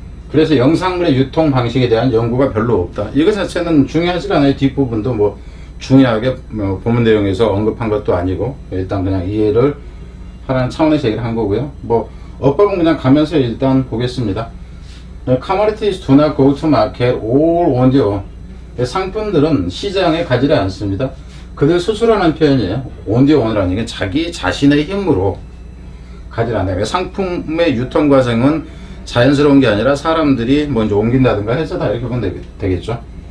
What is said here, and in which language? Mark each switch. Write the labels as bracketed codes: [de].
[ko] 그래서 영상물의 유통 방식에 대한 연구가 별로 없다. 이것 자체는 중요하지 않아요. 뒷부분도 뭐 중요하게 뭐 본문 내용에서 언급한 것도 아니고, 일단 그냥 이해를 하라는 차원에서 얘기를 한 거고요. 뭐 어법은 그냥 가면서 일단 보겠습니다. [en] Commodities do not go to market all on their own. [ko] 상품들은 시장에 가지를 않습니다. 그들 스스로라는 표현이에요. [en] On their own [ko] 이라는 게 자기 자신의 힘으로 가지를 않아요. 상품의 유통 과정은 자연스러운 게 아니라 사람들이 먼저 옮긴다든가 해서 다 이렇게 보면 되겠죠.